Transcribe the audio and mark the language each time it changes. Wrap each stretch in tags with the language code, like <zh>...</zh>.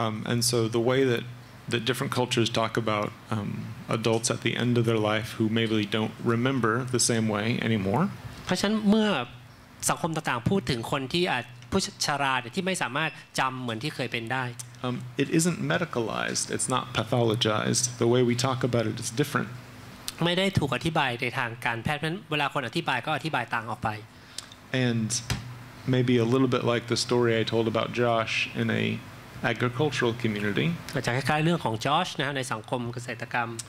<en>And so the way that that different cultures talk about adults at the end of their life who maybe don't remember the same way anymore</en> <th>เพราะฉะนั้นเมื่อสังคมต่างๆพูดถึงคนที่อาจผู้ชราที่ไม่สามารถจำเหมือนที่เคยเป็นได้</th> <en>It isn't medicalized. It's not pathologized. The way we talk about it is different.</en> <th>ไม่ได้ถูกอธิบายในทางการแพทย์เพราะฉะนั้นเวลาคนอธิบายก็อธิบายต่างออกไป</th> <en>And maybe a little bit like the story I told about Josh in an agricultural community.</en> <th>ก็จะคล้ายๆเรื่องของ Josh นะในสังคมเกษตรกรรม</th>